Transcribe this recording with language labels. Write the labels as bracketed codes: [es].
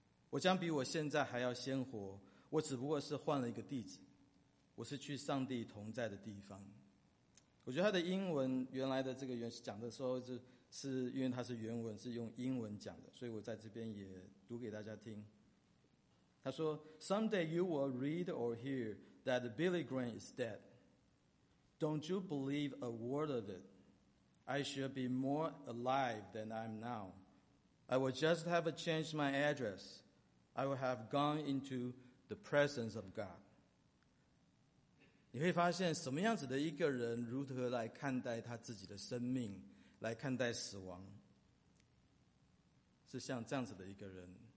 [zh] 我将比我现在还要鲜活，我只不过是换了一个地址，我是去上帝同在的地方。我觉得他的英文原来的这个原讲的时候，是因为他是原文是用英文讲的，所以我在这边也读给大家听。他说 [en] Someday you will read or hear that Billy Graham is dead. Don't you believe a word of it. I should be more alive than I am now. I will just have changed my address. I will have gone into the presence of God. [zh] 你会发现什么样子的一个人如何来看待他自己的生命，来看待死亡，是像这样子的一个人。